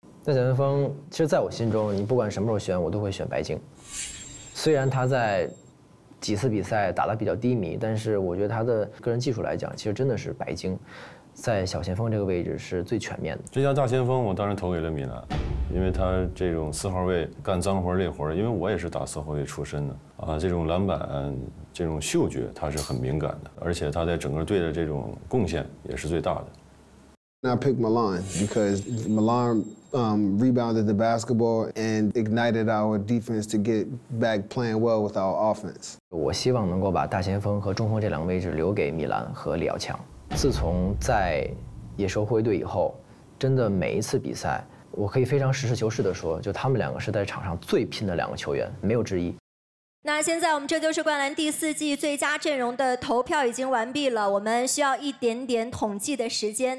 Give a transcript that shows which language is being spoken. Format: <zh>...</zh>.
<zh>那小前锋其实在我心中，你不管什么时候选我都会选白鲸，虽然他在几次比赛打得比较低迷，但是我觉得他的个人技术来讲其实真的是白鲸，在小前锋这个位置是最全面的。最佳大前锋我当然投给了米兰，因为他这种四号位干脏活累活，因为我也是打四号位出身的啊，这种篮板这种嗅觉他是很敏感的，而且他在整个队的这种贡献也是最大的。</zh> <en>I picked Milan because Milan rebounded the basketball and ignited our defense to get back playing well with our offense.</en> <zh>我希望能够把大前锋和中锋这两个位置留给米兰和李耀强。自从在野兽会队以后，真的每一次比赛，我可以非常实事求是的说，就他们两个是在场上最拼的两个球员，没有之一。那现在我们这就是灌篮第四季最佳阵容的投票已经完毕了，我们需要一点点统计的时间。</zh>